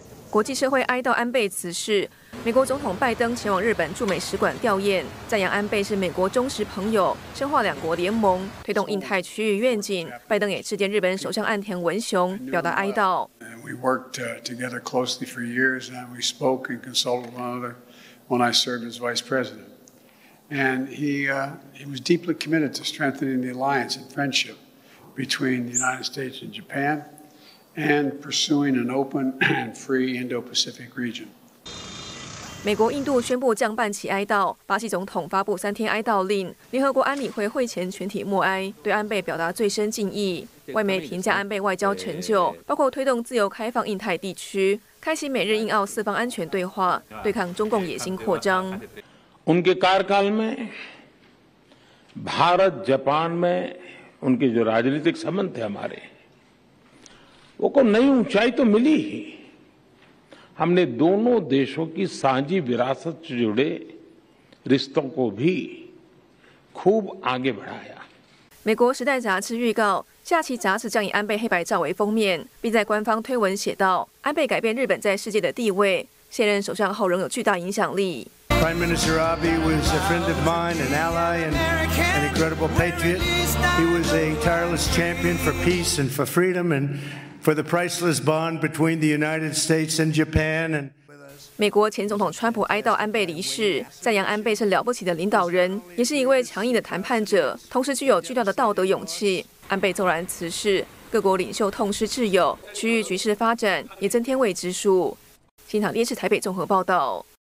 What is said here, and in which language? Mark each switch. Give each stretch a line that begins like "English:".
Chinese: 国际社会哀悼安倍辞世，美国总统拜登前往日本驻美使馆吊唁，赞扬安倍是美国忠实朋友，深化两国联盟，推动印太区域愿景。拜登也致电日本首相岸田文雄，表达哀悼。
English: We worked together closely for years, and we spoke and consulted one another when I served as vice president. And he was deeply committed to strengthening the alliance and friendship between the United States and Japan. And pursuing an open and free Indo-Pacific region.
Chinese: 美国印度宣布降半旗哀悼，巴西总统发布三天哀悼令，联合国安理会会前全体默哀，对安倍表达最深敬意。外媒评价安倍外交成就，包括推动自由开放印太地区，开启美日印澳四方安全对话，对抗中共野心扩张。
Hindi: उनके कार्यकाल में Bharat Japan में उनके जो राजनीतिक संबंध थे हमारे. वो को नई ऊंचाई तो मिली ही हमने दोनों देशों की सांझी विरासत से जुड़े रिश्तों को भी खूब आगे बढ़ाया
Chinese: 美国时代杂志预告下期杂志将以安倍黑白照为封面并在官方推文写道安倍改变日本在世界的地位卸任首相后仍有巨大影响力
English: Prime Minister Abe was a friend of mine an ally and an incredible patriot he was a tireless champion for peace and for freedom andFor the priceless bond between the United States and Japan, and
Chinese: 美国前总统川普哀悼安倍离世，赞扬安倍是了不起的领导人，也是一位强硬的谈判者，同时具有巨大的道德勇气。安倍骤然辞世，各国领袖痛失挚友，区域局势发展也增添未知数。新唐电视台北综合报道。